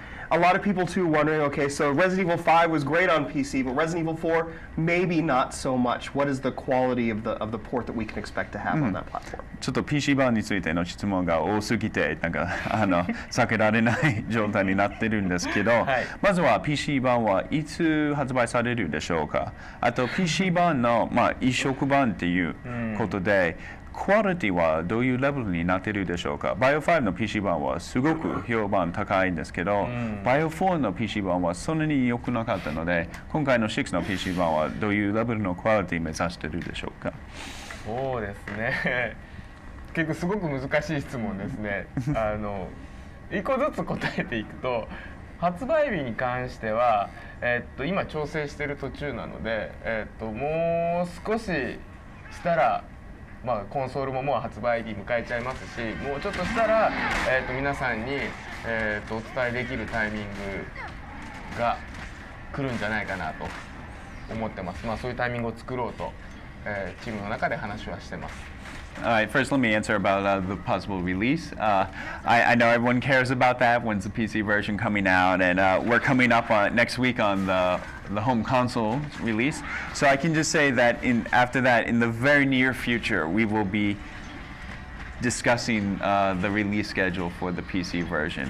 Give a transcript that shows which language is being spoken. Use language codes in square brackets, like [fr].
[en] a lot of people too wondering, okay, so Resident Evil 5 was great on PC, but Resident Evil 4 maybe not so much. What is the quality of the port that we can expect to have on that platform? [ja] ちょっと PC 版についての質問が多すぎてなんか避けられない状態になってるんですけど、はい、まずは PC 版はいつ発売されるでしょうか。あと PC 版の、まあ、移植版っていうことで、クオリティはどういうレベルになってるでしょうか。バイオ5の PC 版はすごく評判高いんですけど、バイオ4の PC 版はそんなに良くなかったので、今回の6の PC 版はどういうレベルのクオリティを目指してるでしょうか。そうですね。結構すごく難しい質問ですね。一個ずつ答えていくと、発売日に関しては、今調整している途中なので、もう少ししたら、まあ、コンソールももう発売日迎えちゃいますし、もうちょっとしたら、皆さんに、お伝えできるタイミングが来るんじゃないかなと思ってます。まあ、そういうタイミングを作ろうと、チームの中で話はしてます。 [en] Alright, first let me answer about the possible release. I know everyone cares about that, when's the PC version coming out, and we're coming up next week on the home console release. So I can just say that in the very near future, we will be discussing the release schedule for the PC version.